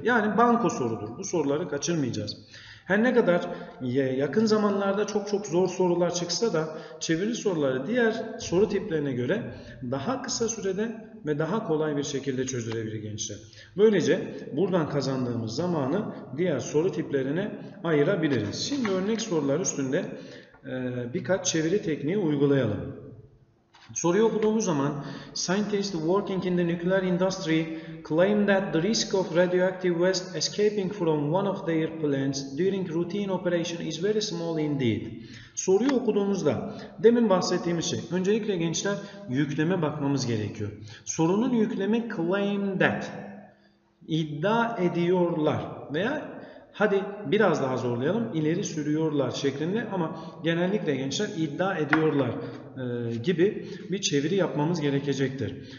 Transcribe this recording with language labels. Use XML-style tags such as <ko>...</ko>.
<tr>Yani banko sorudur. Bu soruları kaçırmayacağız. Her ne kadar yakın zamanlarda çok çok zor sorular çıksa da çeviri soruları diğer soru tiplerine göre daha kısa sürede ve daha kolay bir şekilde çözülebilir gençler. Böylece buradan kazandığımız zamanı diğer soru tiplerine ayırabiliriz. Şimdi örnek sorular üstünde birkaç çeviri tekniği uygulayalım. Soruyu okuduğumuz zaman</tr> <en>scientists working in the nuclear industry claim that the risk of radioactive waste escaping from one of their plants during routine operation is very small indeed.</en> <tr>Soruyu okuduğumuzda demin bahsettiğimiz şey, öncelikle gençler yükleme bakmamız gerekiyor. Sorunun yüklemi claim that, iddia ediyorlar veya hadi biraz daha zorlayalım, ileri sürüyorlar şeklinde, ama genellikle gençler iddia ediyorlar gibi bir çeviri yapmamız gerekecektir.</tr>